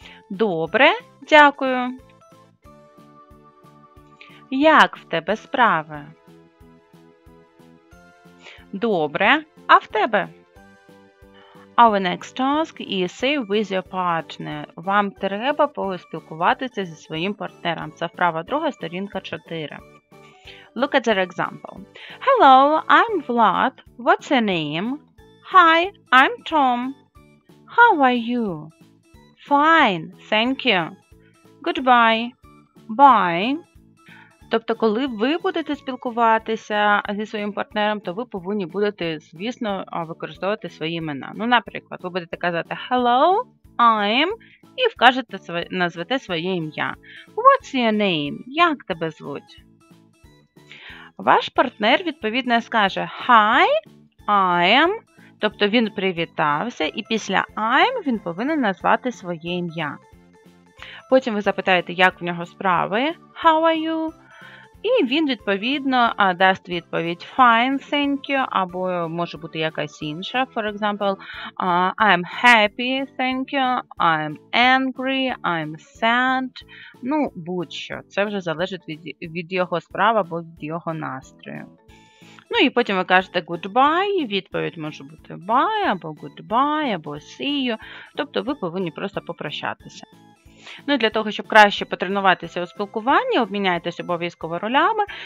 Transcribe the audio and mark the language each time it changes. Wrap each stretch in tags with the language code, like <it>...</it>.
<uk>Добре, дякую. Як в тебе справи? Добре, а в тебе?</uk> <en>Our next task is say with your partner.</en> <uk>Вам треба поспілкуватися зі своїм партнером. Це вправа друга, сторінка 4.</uk> <en>Look at their example. Hello, I'm Vlad. What's your name? Hi, I'm Tom. How are you? Fine, thank you. Goodbye. Bye.</en> <uk>Тобто, коли ви будете спілкуватися зі своїм партнером, то ви повинні будете, звісно, використовувати свої імена. Ну, наприклад, ви будете казати</uk> <en>«Hello, I'm»</en> <uk>і вкажете, назвете своє ім'я.</uk> <en>«What's your name?»</en> <uk>– «Як тебе звуть?» Ваш партнер, відповідно, скаже</uk> <en>«Hi, I'm»,</en> <uk>тобто він привітався, і після</uk> <en>«I'm»</en> <uk>він повинен назвати своє ім'я. Потім ви запитаєте, як в нього справи</uk> <en>«How are you?»</en> <uk>І він, відповідно, дасть відповідь</uk> <en>«Fine, thank you»,</en> <uk>або може бути якась інша,</uk> <en>for example, «I'm happy, thank you», «I'm angry», «I'm sad»,</en> <uk>ну, будь-що. Це вже залежить від його справ або від його настрою. Ну, і потім ви кажете</uk> <en>«Goodbye»,</en> <uk>відповідь може бути</uk> <en>«Bye»,</en> <uk>або «Goodbye», або</uk> <en>«See you»,</en> <uk>тобто ви повинні просто попрощатися. Ну і для того, щоб краще потренуватися у спілкуванні, обміняйтесь обов'язково ролями.</uk>